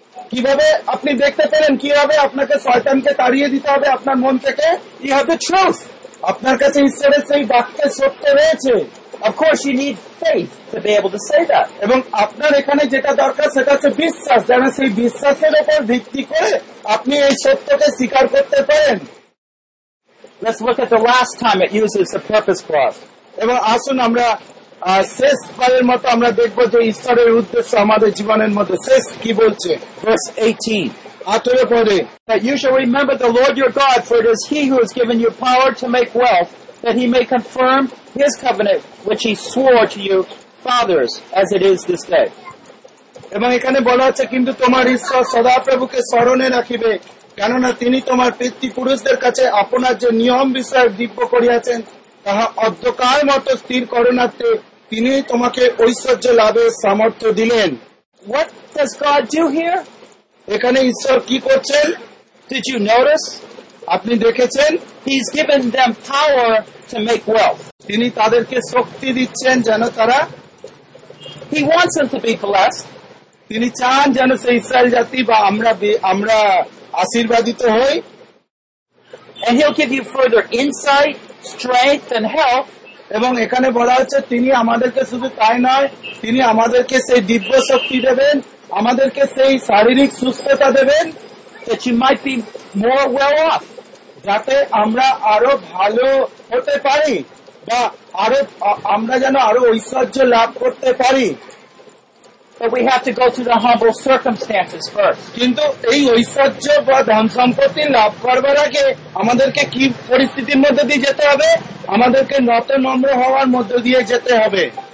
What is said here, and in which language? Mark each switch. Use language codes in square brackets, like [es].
[bn] কিভাবে আপনি দেখতে পেলেন, কিভাবে আপনাকে শয়তানকে তাড়িয়ে দিতে হবে আপনার মন থেকে? [en] You have the truth. [bn] আপনার কাছে ঈশ্বরের সেই বাক্যের সত্য রয়েছে। [en] Of course you need faith to be able to say that. [bn] এবং আপনার এখানে যেটা দরকার সেটা হচ্ছে বিশ্বাস, যেন সেই বিশ্বাসের উপর ভিত্তি করে আপনি এই সত্যকে স্বীকার করতে পারেন। [en] Let's look at the last time it uses the purpose clause. [bn] এবং আসুন আমরা শেষবারের মতো আমরা দেখব যে ঈশ্বরের উদ্দেশ্য আমাদের জীবনের মধ্যে শেষ কি বলছে। [en] Verse 18. [bn] আঠারো পরে, [en] that you shall remember the Lord your God, for it is he who has given you power to make wealth, that he may confirm his covenant which he swore to your fathers as it is this day. [bn] এবং এখানে বলা আছে, কিন্তু তোমার ঈশ্বর সদাপ্রভুকে স্মরণে রাখিবে, কেননা তিনি তোমার পিতৃপুরুষদের কাছে আপনার যে নিয়ম বিষয়ে দিব্য করিয়াছেন তাহা অর্ধকাল মত স্থির করণার্থে তিনি তোমাকে ঐশ্বর্য লাভের সামর্থ্য দিলেন। [en] What does God do here? [bn] এখানে ঈশ্বর কি করছেন? [en] Did you notice? [bn] আপনি দেখেছেন? [en] He's given them power to make wealth. [bn] তিনি তাদেরকে শক্তি দিচ্ছেন যেন তারা, [en] He wants them to be blessed. [bn] তিনি চান যেন সে ইসরায়েল জাতি বা আমরা আশীর্বাদিত হই। [en] And he'll give you further insight, strength and help. [bn] এবং এখানে বলা হচ্ছে তিনি আমাদেরকে শুধু তাই নয়, তিনি আমাদেরকে সেই দিব্য শক্তি দেবেন, আমাদেরকে সেই শারীরিক সুস্থতা দেবেন, [en] that you might be more well off. [bn] যাতে আমরা আরো ভালো হতে পারি বা আরো আমরা যেন আরো ঐশ্বর্য লাভ করতে পারি। [en] But we have to go through the humble circumstances first. [bn] কিন্তু এই ঐশ্বর্য বা ধন সম্পত্তি লাভ করবার আগে আমাদেরকে কি পরিস্থিতির মধ্যে দিয়ে যেতে হবে? আমাদেরকে নত নম্র হওয়ার মধ্য দিয়ে যেতে হবে।